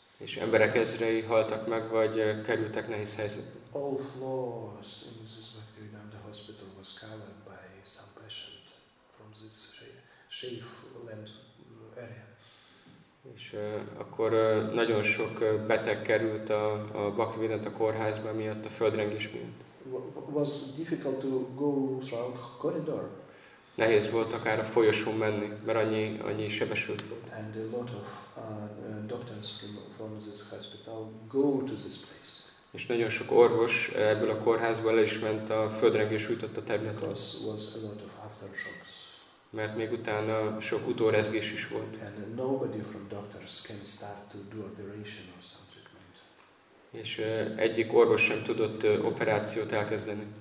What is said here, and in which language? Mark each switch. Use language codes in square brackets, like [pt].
[hu] És emberek ezrei haltak meg vagy kerültek nehéz helyzetbe. [en] All floors in this Bhaktivedanta hospital was covered by some patient from this shave land area. [hu] És akkor nagyon sok beteg került a Bhaktivedanta kórházba miatt a földrengés miatt. [en] Was difficult to go through the corridor. [hu] Nehéz volt akár a folyosón menni, mert annyi sebesült volt. [en] And a lot of doctors from this hospital go to this place. [hu] És nagyon sok orvos ebből a kórházból el is ment a földrengés újtott a területre. [en] Was a lot of aftershocks. [hu] Mert még utána sok utórezgés is volt. [en] And nobody from doctors can start to do operation or some treatment. [hu] És egyik orvos sem tudott operációt elkezdeni.